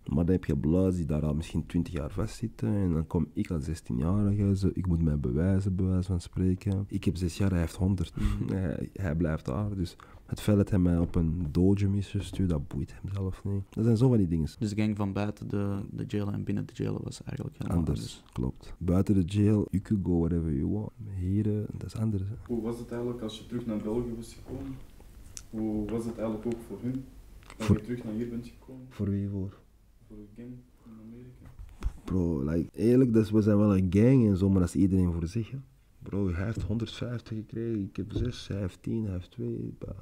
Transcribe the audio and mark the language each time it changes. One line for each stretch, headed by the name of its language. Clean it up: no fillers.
Dutch: Maar dan heb je Bloods die daar al misschien 20 jaar vastzitten. En dan kom ik als 16-jarige, zo, ik moet mij bewijzen, bij wijze van spreken. Ik heb 6 jaar, hij heeft 100. hij blijft daar. Dus het feit dat hij mij op een dojo is gestuurd, dat boeit hem zelf niet. Dat zijn zo van die dingen. Dus de gang van buiten de jail en binnen de jail was eigenlijk helemaal anders. Klopt. Buiten de jail,
English: you could go wherever you want.
Dutch: Hier, dat is anders. Hoe was het eigenlijk als je terug naar België was gekomen? Hoe was het eigenlijk ook voor hun, dat je terug naar hier bent gekomen? Voor wie voor? Voor de gang in Amerika. Bro, eerlijk, dus we zijn wel een gang en zo, maar dat is iedereen voor zich. Hè. Bro, hij heeft 150 gekregen, ik heb 6, hij heeft 10, hij heeft 2. Bah.